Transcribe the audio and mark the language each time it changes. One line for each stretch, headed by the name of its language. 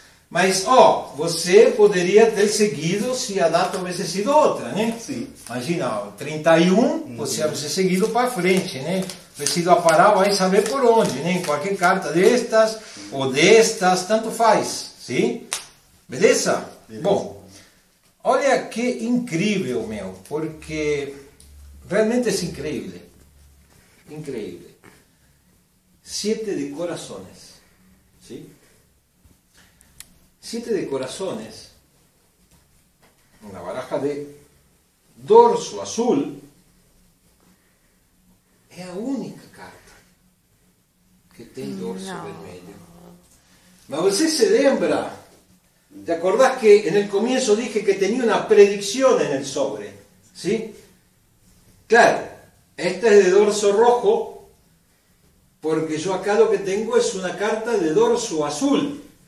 Spanish: Mas, usted podría haber seguido si la data hubiese sido otra, ¿no?
Portuguese: Sim.
Spanish: Imagina, 31, usted hubiese seguido para frente, ¿no? Hubiese ido a parar, va a saber por dónde, ¿no? En cualquier carta de estas o de estas,
Portuguese: tanto faz,
Spanish: ¿sí?
Portuguese: ¿Beleza? Beleza. Bom. Olha que incrível, meu, porque realmente é incrível. Incrível. Siete de corações. Sim? Siete de corações. Uma baraja de dorso azul. É a única carta que tem dorso vermelho. Mas você se lembra?
Spanish: ¿Te acordás que en el comienzo dije que tenía una predicción en el sobre? ¿Sí? Claro, esta es de dorso rojo, porque yo acá lo que tengo es una carta de dorso azul.